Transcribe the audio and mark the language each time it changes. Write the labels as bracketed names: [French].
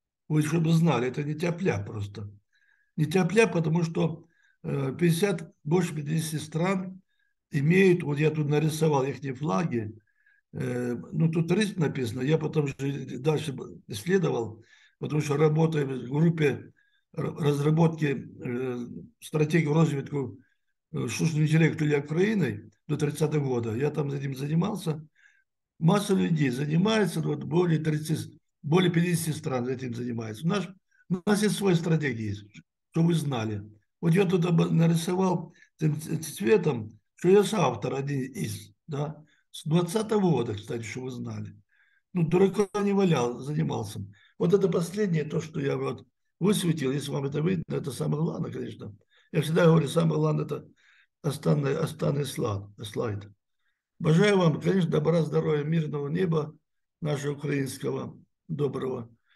[Ukrainian] Ви, щоб ви знали, це не тяпля просто. Не тяпля, тому що 50, більше 50 стран мають, от я тут нарисував їхні флаги, ну, тут 30 написано, я потім далі слідував, тому що працюю в групі розробки стратегії розвитку штучного інтелекту для України до 30-го года. [Russian] Я там этим занимался. Масса людей занимается, вот более 30, более 50 стран этим занимается. У нас есть свои стратегии, что вы знали. Вот я тут нарисовал этим цветом, что я соавтор один из, да, с 20-го года, кстати, что вы знали. Ну, дурака не валял, занимался. Вот это последнее, то, что я вот высветил, если вам это видно, это самое главное, конечно. Я всегда говорю, самое главное – это [Ukrainian] останній слайд. Бажаю вам, звісно, добра, здоров'я, мирного неба нашого українського, доброго.